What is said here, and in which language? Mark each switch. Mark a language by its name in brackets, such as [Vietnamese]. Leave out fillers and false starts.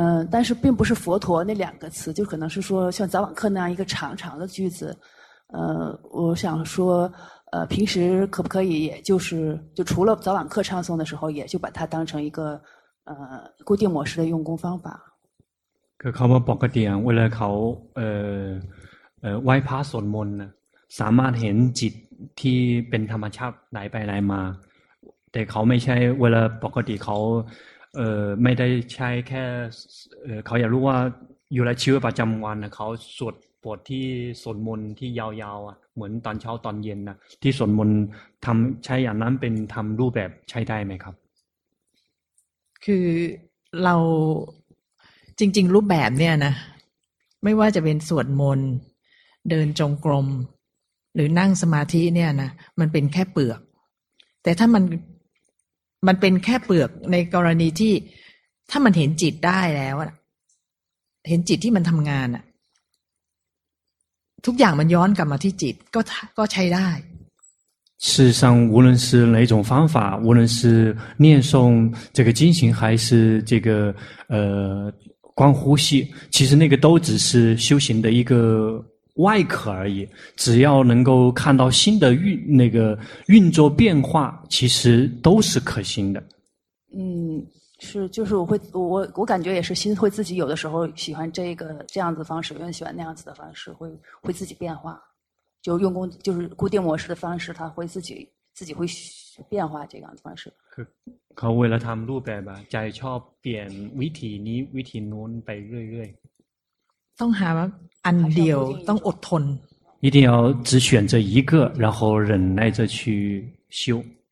[Chinese] 但是并不是佛陀那两个词，就可能是说像早晚课那样一个长长的句子。我想说。平时可不可以也就是就除了早晚课唱诵的时候也就把它当成一个固定模式的用功方法 [Thai] ก็เขามาบอกกันอย่างเวลาเขาไหว้พระสวดมนต์นะสามารถเห็นจิตที่เป็นธรรมชาติไหลไปไหลมาแต่เขาไม่ใช่เวลาปกติเขาไม่ได้ใช้แค่เขาอยากรู้ว่าอยู่ในชีวิตประจำวันนะเขาสวดบทที่สวดมนต์ที่ยาวๆอ่ะเหมือนตอนเช้าตอนเย็นนะที่สวดมนต์ทำใช้อย่างนั้นเป็นทำรูปแบบใช้ได้ไหมครับ คือเราจริงๆรูปแบบเนี่ยนะไม่ว่าจะเป็นสวดมนต์เดินจงกรมหรือนั่งสมาธิเนี่ยนะมันเป็นแค่เปลือกแต่ถ้ามันเป็นแค่เปลือกในกรณีที่ถ้ามันเห็นจิตได้แล้วเห็นจิตที่มันทำงานอ่ะทุกอย่างมันย้อนกลับมาที่จิตก็ใช้ได้ [Chinese] 事实上无论是哪种方法无论是念诵这个经行还是这个观呼吸其实那个都只是修行的一个外壳而已只要能够看到心的那个运作变化其实都是可行的嗯是，就是我会，我感觉也是心会自己有的时候喜欢这个这样子的方式，有人喜欢那样子的方式，会自己变化，就用功就是固定模式的方式，他会自己会变化这样子的方式。 [Thai] เขาเวลาทำรูปแบบใจชอบเปลี่ยนวิธีนี้วิธีนู้นไปเรื่อย ๆต้องหาว่าอันเดียวต้องอดทน [Chinese] 一定要只选择一个然后忍耐着去修